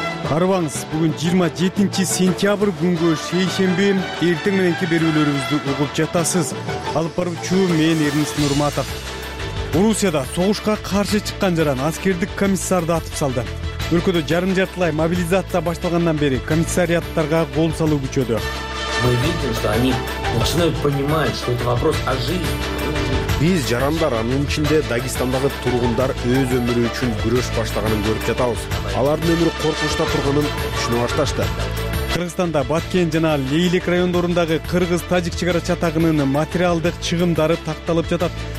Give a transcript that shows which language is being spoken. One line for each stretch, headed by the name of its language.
Kyrgyz: Карбаңыз, бүгүн 27-сентябрь күнгө шейшемби, эртең мененки берүүлөрүбүздү угуп жатасыз. Алып баруучу мен Эрнист Нурматов. Орусияда согушка каршы чыккан жаран аскердик комиссарды атып салды. Өлкөдө жарым жартылай мобилизация башталгандан бери комиссариаттарга кол салуу күчөдү.
Russian: Мы видим, что они начинают понимать, что это вопрос о жизни.
Kyrgyz: Биз жарандар анын ичинде Дагестандагы тургундар өз өмүрү үчүн күрөш баштаганын көрүп жатабыз. Алардын өмүрү коркунучта турганын түшүнө башташты. Кыргызстанда Баткен жана Лейлек райондорундагы кыргыз-тажик чек ара чатагынын материалдык чыгымдары такталып жатат.